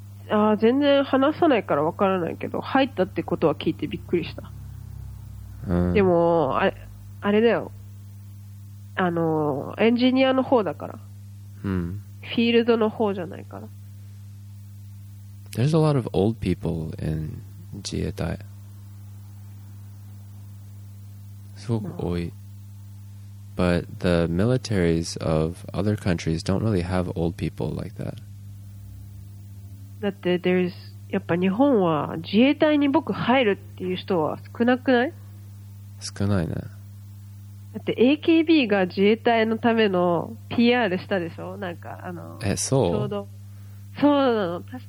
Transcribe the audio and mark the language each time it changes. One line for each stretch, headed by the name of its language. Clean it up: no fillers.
Japanese: あ、全然話さないからわからないけど、入ったってことは聞いてびっくりした。でもあれだよ。あのエンジニアの方だから。フィールドの方じゃないから。
English: There's a lot of old people in 自衛隊。
Japanese: すごく多い。
English: But the militaries of other countries don't really have old people like that.
Japanese: だって
English: there's
Japanese: やっぱ日本は自衛隊に僕入るっていう人は少なくない？少ないね。だって AKB が自衛隊のための PR したでしょ？なんかあの、え、そう？ちょうど。そうなの。